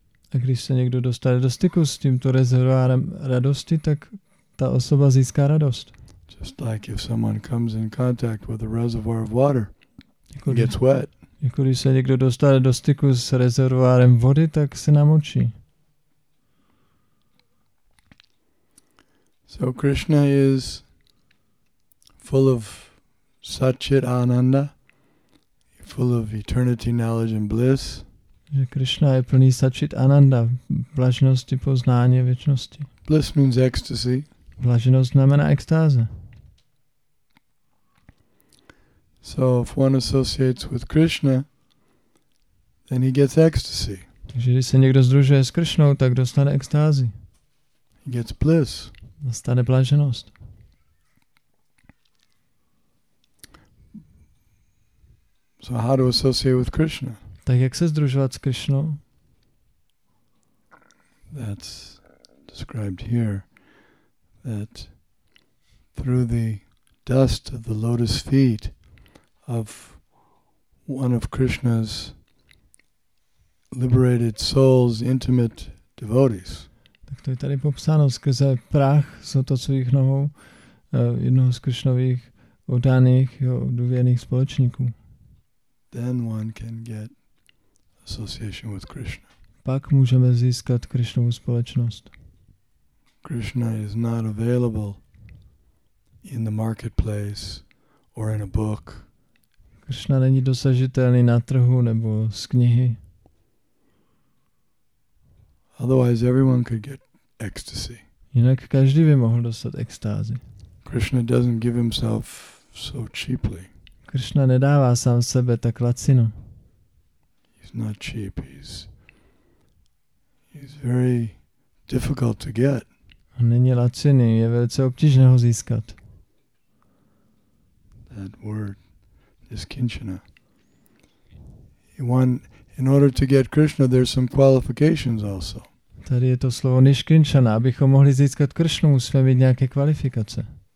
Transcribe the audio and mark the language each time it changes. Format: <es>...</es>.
<cs>A když se někdo dostane do styku s tímto rezervoárem radosti, tak ta osoba získá radost.</cs> <en>Just like if someone comes in contact with a reservoir of water, he gets wet.</en> <cs>Jako když se někdo dostane do styku s rezervoárem vody, tak se namočí.</cs> <en>So Krishna is full of Satchit Ananda, full of eternity knowledge and bliss.</en> <cs>Že Krishna je plný Satchit Ananda, blaženosti, poznání a věčnosti.</cs> <en>Bliss means ecstasy.</en> <cs>Blaženost znamená extáze.</cs> <en>So if one associates with Krishna, then he gets ecstasy.</en> <cs>Takže když se někdo združuje s Krishnou, tak dostane extázi.</cs> <en>He gets bliss.</en> <cs>Dostane blaženost.</cs> <en>So how to associate with Krishna?</en> <cs>Tak jak se združovat s Krishnou?</cs> <en>That's described here, that through the dust of the lotus feet of one of Krishna's liberated souls, intimate devotees.</en> <cs>Tak to je tady popsáno skrze prach z lotosových nohou jednoho z Krishnových oddaných, důvěrných společníků.</cs> <en>Then one can get association with Krishna.</en> <cs>Pak můžeme získat Krishnovu společnost.</cs> <en>Krishna is not available in the marketplace or in a book.</en> <cs>Krishna není dosažitelný na trhu nebo z knihy.</cs> <en>Otherwise everyone could get ecstasy.</en> <cs>Jinak každý by mohl dostat extázi.</cs> <en>Krishna doesn't give himself so cheaply.</en> <cs>Krishna nedává sám sebe tak lacino.</cs> <en>He's not cheap. He's very difficult to get.</en> <cs>On není laciný, je velice obtížné ho získat.</cs> <en>That word. Is Kinchana. One, in order to get Krishna, there's some qualifications also.</en> <cs>Tady je to slovo Nishkinchana, abychom mohli získat Krishnu, musíme mít nějaké kvalifikace.</cs>